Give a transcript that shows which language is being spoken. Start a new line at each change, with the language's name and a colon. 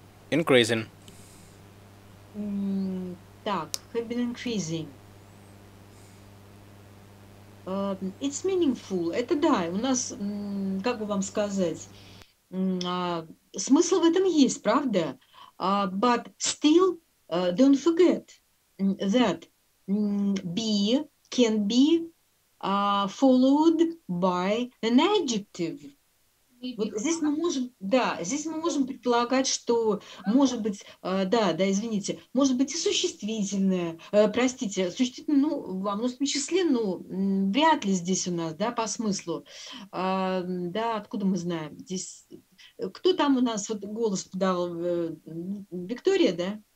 English: Increasing. Так, have been increasing. It's meaningful.
Russian: Это да, у нас, как бы вам сказать, смысл в этом есть, правда?
English: But still, don't forget that be can be followed by an adjective.
Russian: Вот здесь мы можем, да, здесь мы можем предполагать, что может быть, да, да, извините, может быть и существительное, простите, существительное, ну, во множественном числе, ну, вряд ли здесь у нас, да, по смыслу, да, откуда мы знаем, здесь, кто там у нас вот голос подал, Виктория, да?